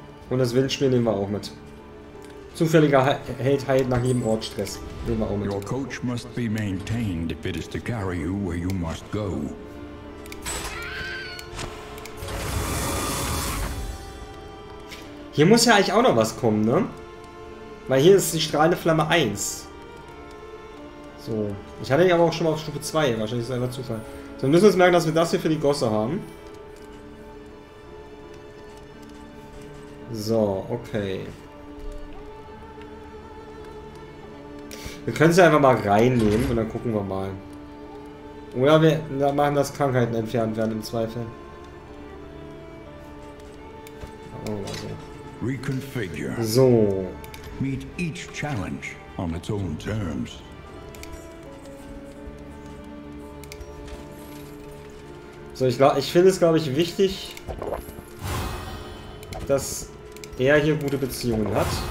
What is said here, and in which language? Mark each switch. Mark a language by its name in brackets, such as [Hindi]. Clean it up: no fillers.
[German] Und das Windspiel nehmen wir auch mit. Zufälliger Held heilt nach jedem Ort Stress. Nehmen wir auch mit. [English] Your coach must be maintained if it is to carry you where you must go. [German] Hier muss ja eigentlich auch noch was kommen, ne? Weil hier ist die strahlende Flamme 1. So. Ich hatte ihn aber auch schon mal auf Stufe 2. Wahrscheinlich ist es einfach Zufall. So, wir müssen uns merken, dass wir das hier für die Gosse haben. So, okay. Wir können sie einfach mal reinnehmen und dann gucken wir mal. Oder wir machen, dass Krankheiten entfernt werden im Zweifel. [English] Reconfigure. [German] So. [English] Meet each challenge on its own terms. [German] So, ich finde es wichtig, dass er hier gute Beziehungen hat.